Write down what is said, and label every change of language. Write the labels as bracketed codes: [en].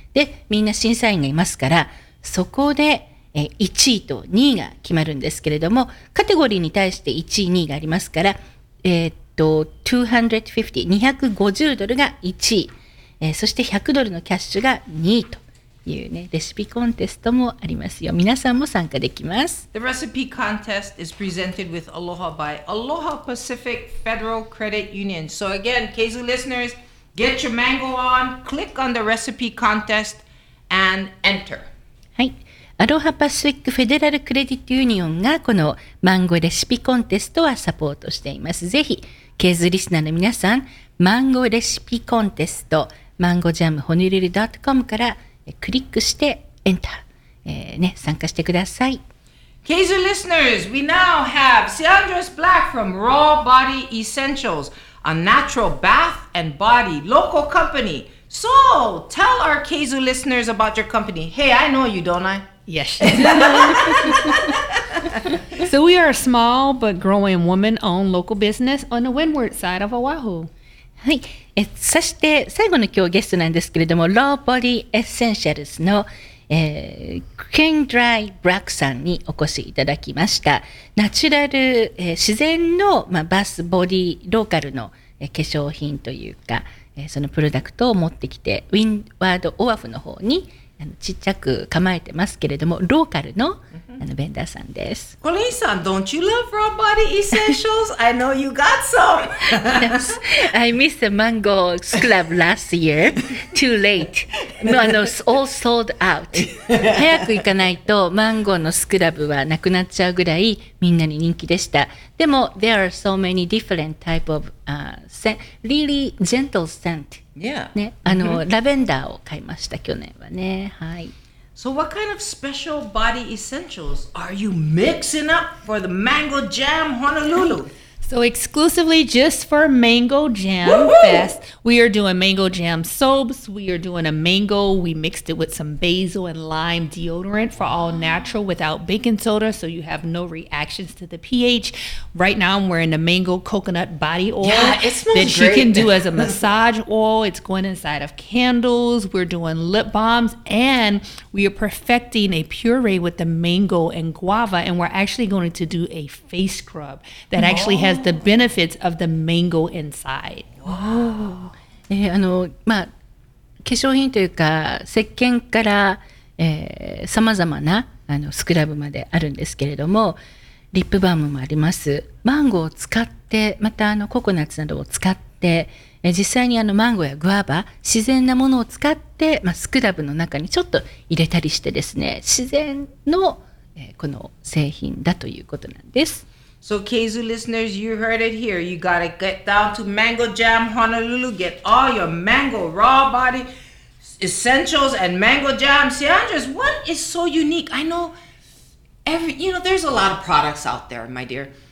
[ja] で、みんな審査員がいますから、そこで、1位と2位が決まるんですけれども、カテゴリーに対して1位、2位がありますから、$250が1位。そして100ドルのキャッシュが2位というね、レシピコンテストもありますよ。皆さんも参加できます。 [en] The recipe contest is presented with Aloha by Aloha Pacific Federal Credit Union. So again, Keizu listeners, get your mango on, click on the recipe contest and enter. [ja] はい。 Aloha Pacific Federal Credit Union がこのマンゴーレシピコンテストはサポートしています。ぜひ、Keizu リスナーの皆さん、マンゴーレシピコンテスト、マンゴージャムホニルル .com からクリックしてエンター、ね、参加してください。 [en] Keizu listeners, we now have Sea Andres Black from Raw Body Essentials, a natural bath and body local company. So, tell our Keizu listeners about your company. Hey, I know you, don't I? Yes. So we are a small but growing woman-owned local business on the windward side of Oahu. [ja] はい、そして最後の今日ゲストなんですけれども、Raw Body Essentials の、Queen Dry Black さんにお越しいただきました。ナチュラル、自然の、まあ、バスボディローカルの、化粧品というか、そのプロダクトを持ってきて、Windward Oahu の方にちっちゃく構えてますけれども、ローカル の, あのベンダーさんです。 [en] コリンさん、don't you love raw body essentials? I know you got some! Yes, I missed the mango club last year. Too late. もうあの、all sold out. [ja] 早く行かないと、マンゴーのスクラブはなくなっちゃうぐらいみんなに人気でした。 [en] でも、there are so many different type of scent. Really gentle scent. Yeah. [ja] ね、あのラベンダーを買いました去年はね、はい。 [en] So what kind of special body essentials are you mixing up for the Mango Jam Honolulu? So exclusively just for Mango Jam Fest, we are doing Mango Jam soaps. We are doing a mango. We mixed it with some basil and lime deodorant for all natural without baking soda, so you have no reactions to the pH. Right now, I'm wearing the mango coconut body oil that you can do as a massage oil. It's going inside of candles. We're doing lip balms, and we are perfecting a puree with the mango and guava, and we're actually going to do a face scrub that actually has the benefits of the mango inside. Wow. [ja] あの、まあ、化粧品というか石鹸から、さまざまなあのスクラブまであるんですけれども、リップバームもあります。マンゴーを使って、またあのココナッツなどを使って、実際にあのマンゴーやグアバ、自然なものを使って、まあ、スクラブの中にちょっと入れたりしてですね、自然の、この製品だということなんです。 [en] So Keizu listeners, you heard it here. You gotta get down to Mango Jam Honolulu. Get all your mango raw body essentials and mango jam. See, Andres, what is so unique? I know there's a lot of products out there, my dear.